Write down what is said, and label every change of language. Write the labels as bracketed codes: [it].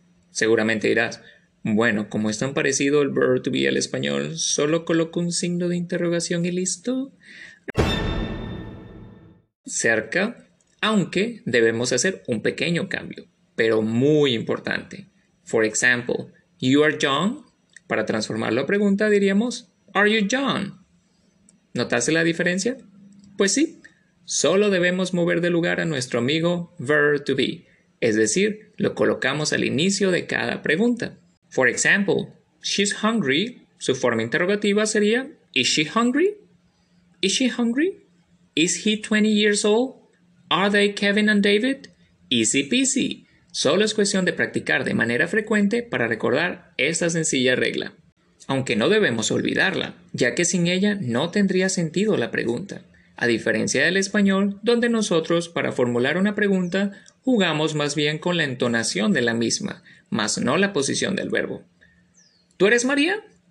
[es] Seguramente dirás, bueno, como es tan parecido el verb to be al español, solo coloco un signo de interrogación y listo. Cerca, aunque debemos hacer un pequeño cambio, pero muy importante. [en] For example, you are young. [es] Para transformarlo a pregunta diríamos, [en] are you young? [es] ¿Notaste la diferencia? Pues sí, solo debemos mover de lugar a nuestro amigo verb to be. Es decir, lo colocamos al inicio de cada pregunta. [en] For example, she's hungry. [es] Su forma interrogativa sería, [en] is she hungry? Is she hungry? Is he 20 years old? Are they Kevin and David? Easy peasy. [es] Solo es cuestión de practicar de manera frecuente para recordar esta sencilla regla. Aunque no debemos olvidarla, ya que sin ella no tendría sentido la pregunta. A diferencia del español, donde nosotros, para formular una pregunta, jugamos más bien con la entonación de la misma, más no la posición del verbo. ¿Tú eres María?